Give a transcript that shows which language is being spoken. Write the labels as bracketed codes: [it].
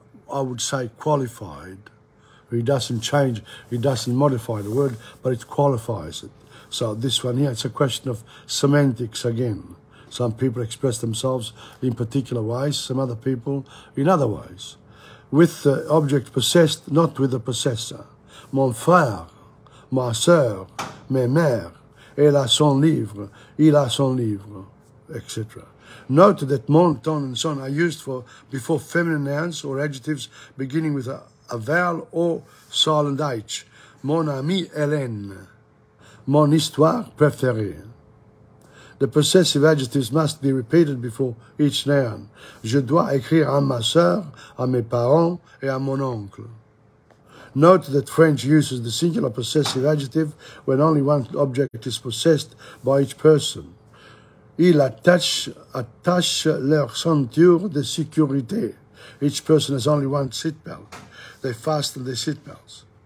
[en] I would say qualified. It doesn't change, it doesn't modify the word, but it qualifies it. So this one here, it's a question of semantics again. Some people express themselves in particular ways, some other people in other ways. With the object possessed, not with the possessor. [fr] Mon frère. Ma soeur, mes mères, elle a son livre, il a son livre, etc. [en] Note that mon, ton, and son are used for before feminine nouns or adjectives beginning with a vowel or silent H. [fr] Mon ami Hélène, mon histoire préférée. [en] The possessive adjectives must be repeated before each noun. [fr] Je dois écrire à ma soeur, à mes parents et à mon oncle. [en] Note that French uses the singular possessive adjective when only one object is possessed by each person. [fr] Il attache leur ceinture de sécurité. [en] Each person has only one seatbelt. They fasten their seatbelts.